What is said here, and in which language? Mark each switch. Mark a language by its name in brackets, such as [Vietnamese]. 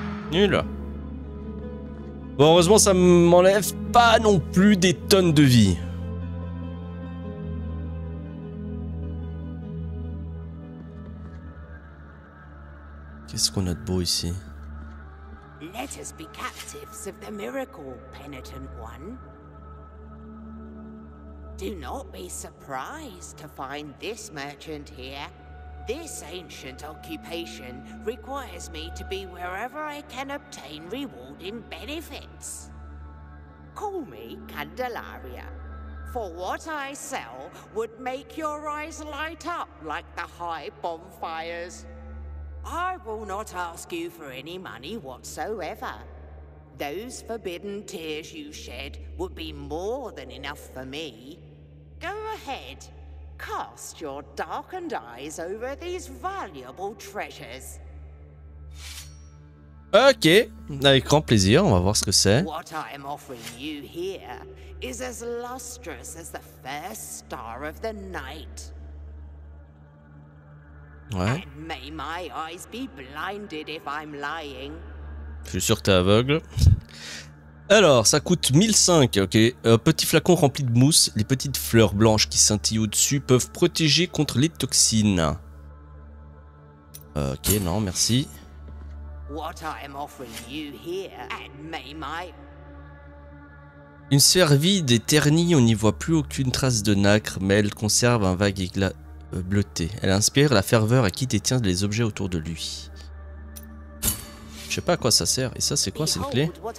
[French] Nul. Bon, heureusement, ça m'enlève pas non plus des tonnes de vie. Qu'est-ce qu'on a de beau ici? [English] Let us be captives of the miracle, penitent one. Do not be surprised to find this merchant here. This ancient occupation requires me to be wherever I can obtain rewarding benefits. Call me Candelaria, for what I sell would make your eyes light up like the high bonfires. I will not ask you for any money whatsoever. Those forbidden tears you shed would be more than enough for me. Go ahead, cast your darkened eyes over these valuable treasures. [French] Ok, avec grand plaisir, on va voir ce que c'est. [English] What I am offering you here is as lustrous as the first star of the night. [French] Ouais. [English] And may my eyes be blinded if I'm lying. [French] Je suis sûr que t'es aveugle. Alors, ça coûte 1500, ok. Petit flacon rempli de mousse, les petites fleurs blanches qui scintillent au-dessus peuvent protéger contre les toxines. Ok, non, merci. [English] What I am offering you here, and may my... [French] Une sphère vide et ternie, on n'y voit plus aucune trace de nacre, mais elle conserve un vague éclat bleuté. Elle inspire la ferveur à qui détient les objets autour de lui. Je sais pas à quoi ça sert. Et ça, c'est quoi cette clé?